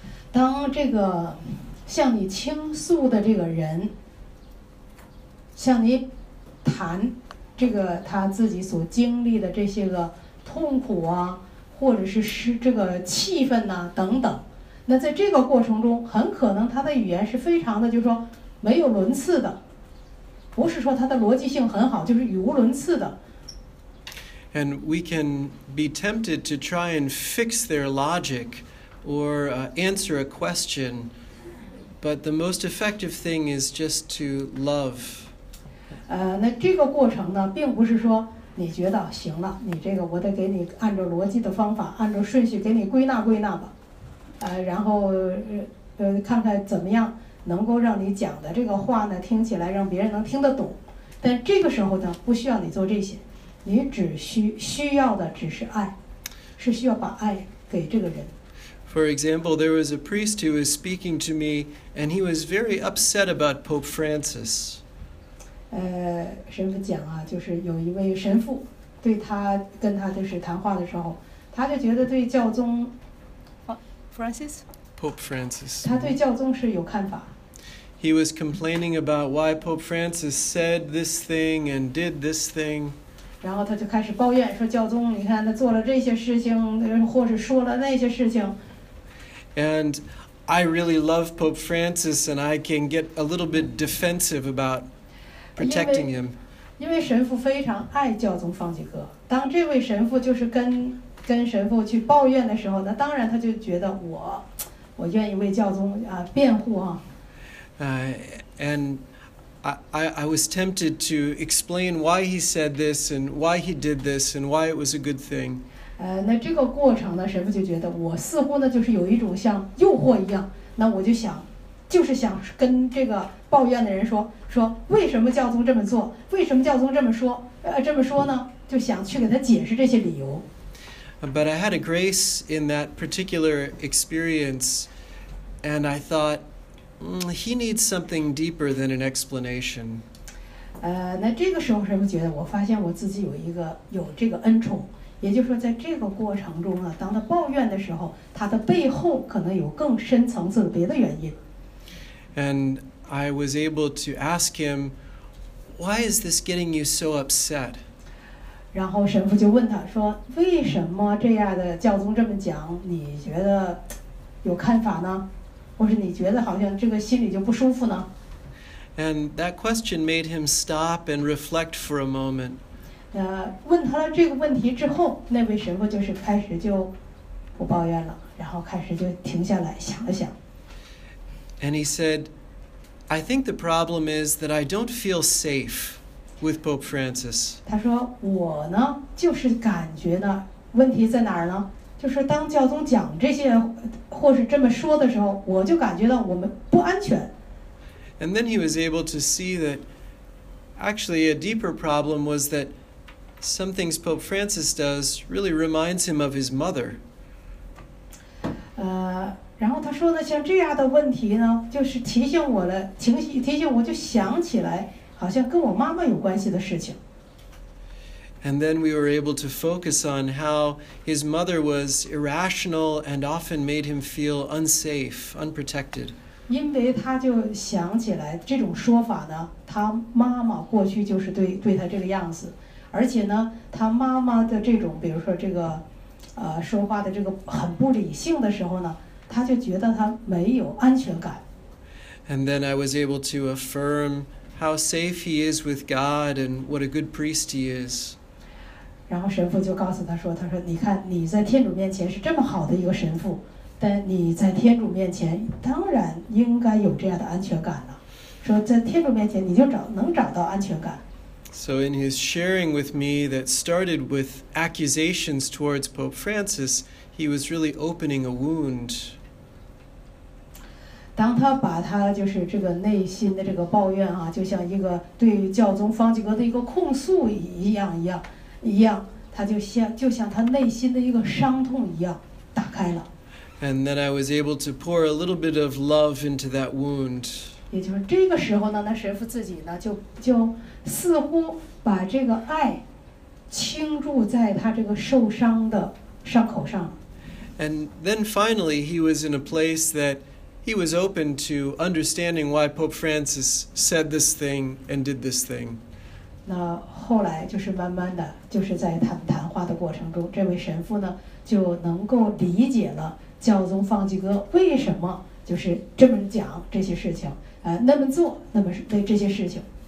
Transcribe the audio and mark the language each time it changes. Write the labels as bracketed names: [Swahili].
[Chinese] 当这个向你倾诉的这个人向你谈这个他自己所经历的这些个痛苦啊，或者是这个气氛啊等等，那在这个过程中很可能他的语言是非常的，就是说没有伦次的，不是说他的逻辑性很好，就是语无伦次的。 [English] And we can be tempted to try and fix their logic or answer a question, but the most effective thing is just to love. [Chinese] 那这个过程呢，并不是说你觉得行了，你这个我得给你按照逻辑的方法，按照顺序给你归纳归纳吧，然后看看怎么样能够让你讲的这个话呢，听起来让别人能听得懂。但这个时候呢，不需要你做这些。你只需要的只是爱，是需要把爱给这个人。 [English] For example, there was a priest who was speaking to me, and he was very upset about Pope Francis. [Chinese] 神父讲啊，就是有一位神父对他跟他就是谈话的时候，他就觉得对教宗 [English] Francis? Pope Francis. [Chinese] 他对教宗是有看法。 [English] He was complaining about why Pope Francis said this thing and did this thing. [Chinese] 然后他就开始抱怨，说教宗，你看他做了这些事情，或者说了那些事情。 [English] And I really love Pope Francis, and I can get a little bit defensive about protecting him. [Chinese] 因为神父非常爱教宗方济各，当这位神父就是跟神父去抱怨的时候，那当然他就觉得我愿意为教宗辩护啊。 [English] And I was tempted to explain why he said this and why he did this and why it was a good thing. [Chinese] 那这个过程呢，神父就觉得我似乎呢就是有一种像诱惑一样，那我就想，就是想跟这个抱怨的人说为什么教宗这么做，为什么教宗这么说呢？就想去给他解释这些理由。 [English] But I had a grace in that particular experience, and I thought. He needs something deeper than an explanation. [Chinese] 那这个时候神父觉得，我发现我自己有这个恩宠，也就是说，在这个过程中呢，当他抱怨的时候，他的背后可能有更深层次的别的原因。 [English] And I was able to ask him, "Why is this getting you so upset?" [Chinese] 然后神父就问他说，为什么这样的教宗这么讲，你觉得有看法呢？或是你觉得好像这个心里就不舒服呢？ [English] And that question made him stop and reflect for a moment. [Chinese] 问他了这个问题之后，那位神父就是开始就不抱怨了，然后开始就停下来想了想。 [English] And he said, "I think the problem is that I don't feel safe with Pope Francis." [Chinese] 他说我呢，就是感觉呢，问题在哪儿呢？就是当教宗讲这些或是这么说的时候，我就感觉到我们不安全。 [English] And then he was able to see that actually a deeper problem was that some things Pope Francis does really reminds him of his mother. [Chinese] 然后他说呢，像这样的问题呢，就是提醒我了，提醒我就想起来好像跟我妈妈有关系的事情。 [English] And then we were able to focus on how his mother was irrational and often made him feel unsafe, unprotected. [Chinese] 因为他就想起来这种说法呢，他妈妈过去就是对他这个样子，而且呢，他妈妈的这种，比如说这个，说话的这个很不理性的时候呢，他就觉得他没有安全感。 [English] And then I was able to affirm how safe he is with God and what a good priest he is. [Chinese] 然后神父就告诉他说，他说你看你在天主面前是这么好的一个神父，但你在天主面前当然应该有这样的安全感了，说在天主面前你就能找到安全感。 [English] So in his sharing with me that started with accusations towards Pope Francis, he was really opening a wound. [Chinese] 当他把他就是这个内心的这个抱怨啊，就像一个对教宗方济各的一个控诉一样，他就像他内心的一个伤痛一样打开了。 [English] And then I was able to pour a little bit of love into that wound. [Chinese] 也就是这个时候呢，那神父自己呢就似乎把这个爱倾注在他这个受伤的伤口上。 [English] And then finally, he was in a place that he was open to understanding why Pope Francis said this thing and did this thing. [Chinese] 那后来就是慢慢的，就是在他们谈话的过程中，这位神父呢就能够理解了。教宗方济各为什么就是这么讲这些事情，那么做，那么对这些事情。